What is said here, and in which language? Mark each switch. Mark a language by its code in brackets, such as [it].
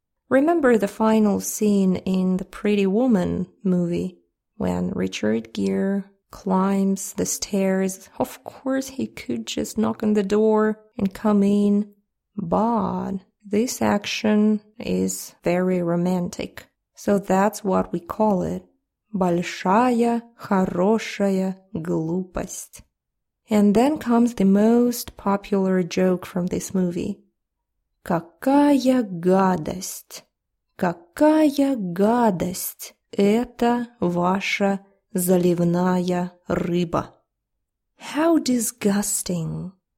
[en] Remember the final scene in the Pretty Woman movie when Richard Gere climbs the stairs? Of course he could just knock on the door and come in, but this action is very romantic. So that's what we call it. [ru] Большая, хорошая глупость. [en] And then comes the most popular joke from this movie. [ru] Какая гадость! Какая гадость! Это ваша заливная рыба. [en] How disgusting!